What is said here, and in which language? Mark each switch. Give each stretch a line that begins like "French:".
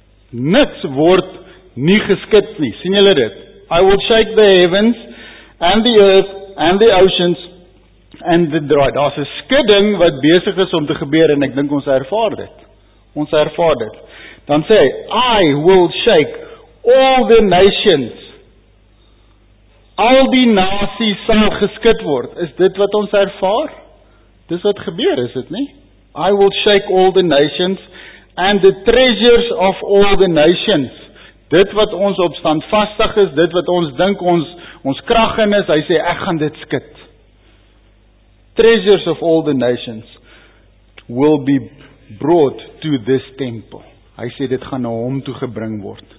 Afrikaans: Niks word nie geskit nie. Sien julle dit?
English: I will shake the heavens and the earth and the oceans and the dry.
Afrikaans: Daar is 'n skudding wat besig is om te gebeur en ek dink ons ervaar dit. Ons ervaar dit. Dan sê hy,
English: I will shake all the nations.
Afrikaans: Al die nasies sal geskud word. Is dit wat ons ervaar? Dis wat gebeur, is dit nie?
English: I will shake all the nations and the treasures of all the nations.
Afrikaans: Dit wat ons op standvastig is, dit wat ons dink ons krag in is, hy sê, ek gaan dit skud.
English: Treasures of all the nations will be brought to this temple.
Afrikaans: Hy sê, dit gaan na hom toe gebring word.